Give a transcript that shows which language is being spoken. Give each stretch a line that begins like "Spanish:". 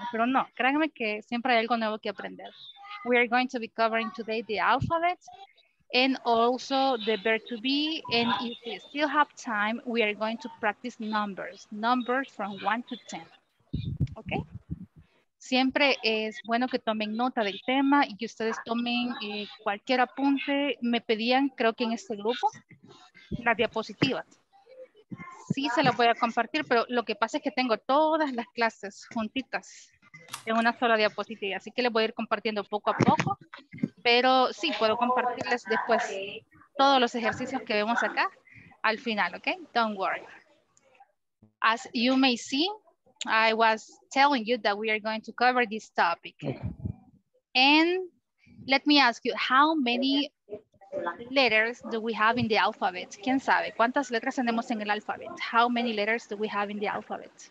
Spanish: Pero no, créanme que siempre hay algo nuevo que aprender.
English: We are going to be covering today the alphabet. And also the verb to be, and if you still have time, we are going to practice numbers, numbers from 1 to 10, okay?
Spanish: Siempre es bueno que tomen nota del tema y que ustedes tomen cualquier apunte. Me pedían, creo que en este grupo, las diapositivas. Sí se las voy a compartir, pero lo que pasa es que tengo todas las clases juntitas en una sola diapositiva, así que les voy a ir compartiendo poco a poco. Pero sí, puedo compartirles después todos los ejercicios que vemos acá al final, ¿ok?
English: Don't worry. As you may see, I was telling you that we are going to cover this topic. And let me ask you, how many letters do we have in the alphabet?
Spanish: ¿Quién sabe? ¿Cuántas letras tenemos en el
English: alphabet? How many letters do we have in the alphabet?